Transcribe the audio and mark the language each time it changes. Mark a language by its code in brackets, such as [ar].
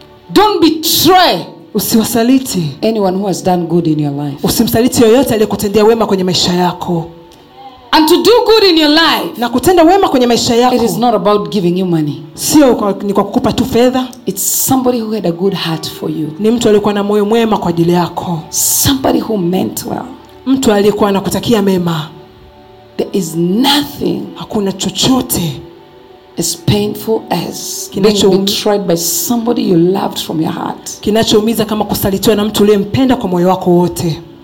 [en] Don't betray. [sw] Usiwasaliti. [en] Anyone who has done good in your life. [sw] Usimsaliti yoyote aliyekutendea wema kwenye maisha yako. [en] And to do good in your life. [sw] Na kutenda wema kwenye maisha yako. [en] It is not about giving you money. [sw] Sio ni kwa kukupa tu fedha. [en] It's somebody who had a good heart for you. [sw] Ni mtu aliyekuwa na moyo mwema kwa ajili yako. [en] Somebody who meant well. [sw] Mtu aliyekuwa anakutakia mema. [en] There is nothing. [sw] Hakuna chochote. [en] As painful as being betrayed by somebody you loved from your heart. [sw] Kinachoumiza kama kusalitiwa na mtu uliyempenda kwa moyo wako wote.